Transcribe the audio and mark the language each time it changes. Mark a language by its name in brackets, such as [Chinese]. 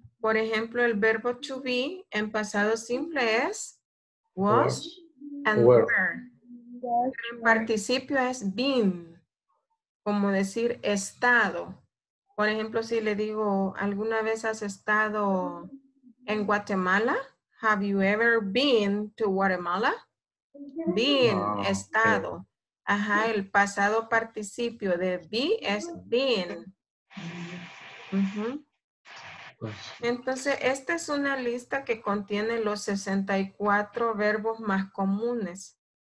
[Spanish] Por ejemplo, el verbo to be en pasado simple es was and were. En participio es been, como decir estado. Por ejemplo, si le digo, ¿alguna vez has estado en Guatemala? [English] Have you ever been to Guatemala? [Spanish] Been, wow, estado. Ajá, el pasado participio de be es been. Entonces, esta es una lista que contiene los 64 verbos más comunes.